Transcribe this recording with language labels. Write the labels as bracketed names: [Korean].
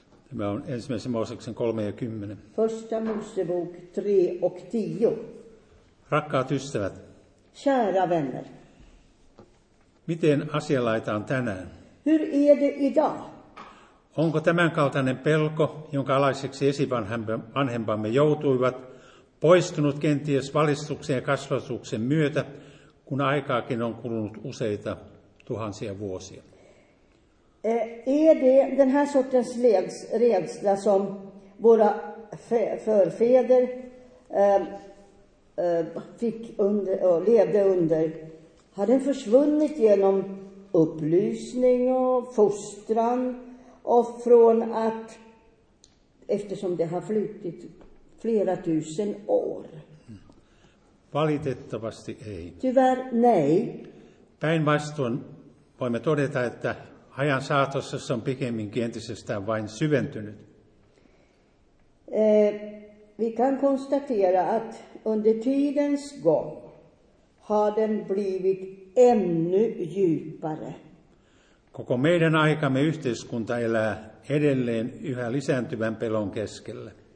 [Finnish] Tämä on ensimmäisen Mooseksen 3:10. [Swedish] Första Mosebok 3:10. [Finnish] Rakkaat ystävät. [Swedish] Kära vänner. [Finnish] Miten asialaita on tänään? [Swedish] Hur är det idag? [Finnish] Onko tämänkaltainen pelko, jonka alaiseksi esivanhempamme joutuivat, poistunut kenties valistuksen ja kasvatuksen myötä, kun aikaakin on kulunut useita tuhansia vuosia? [Swedish] Är det den här sortens rädsla som våra förfäder fick under, levde under? Har den försvunnit genom upplysning och fostran? Och från att, eftersom det har flutit flera tusen år. [Finnish] Valitettavasti ei. [Swedish] Tyvärr, nej. [Finnish] Päinvastoin voimme todeta, että ajan saatossa se on pikemminkin entisestään vain syventynyt. [Swedish] Vi kan konstatera att under tidens gång har den blivit ännu djupare. [Finnish] Koko meidän aikamme yhteiskunta elää edelleen yhä lisääntyvän pelon keskellä.